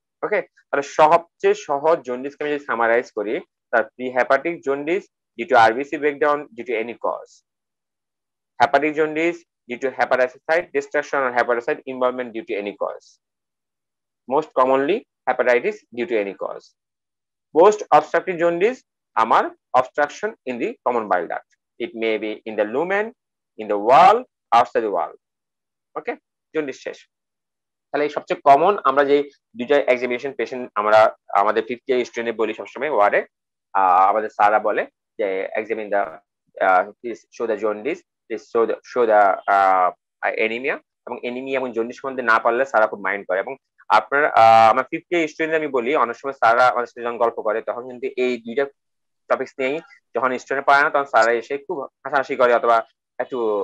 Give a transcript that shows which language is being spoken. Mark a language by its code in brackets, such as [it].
[bn] ওকে, তাহলে সবচেয়ে সহজ জন্ডিসকে আমি যদি সামারাইজ করি, তার [en] Pre hepatic jaundice due to RBC breakdown due to any cause, hepatic jaundice due to hepatocyte destruction or hepatocyte involvement due to any cause, most commonly hepatitis due to any cause. Most obstructive jaundice [bn] amar [en] obstruction in the common bile duct. It may be in the lumen, in the wall, outside the wall. Okay, jaundice shesh. [bn] তাহলে সবচেয়ে common আমরা যে দুইটা examination patient আমরা আমাদের fifth year স্টুডেন্টে বলি সবসময় ওয়ার্ডে আমাদের সারা বলে যে [en] examine the show the jaundice show the anaemia [bn] এবং এনিমিয়া এবং জন্ডিস সম্বন্ধে না পারলে সারা খুব মাইন্ড করে এবং আপনার আমার ফিফথ ইয়ার স্টুডেন্ট আমি বলি অনেক সময় সারা আমাদের সাথে যখন গল্প করে তখন কিন্তু এই দুইটা টপিক্স নিয়েই যখন স্টুডেন্ট পায় না তখন সারা এসে খুব হাসাহাসি করে অথবা একটু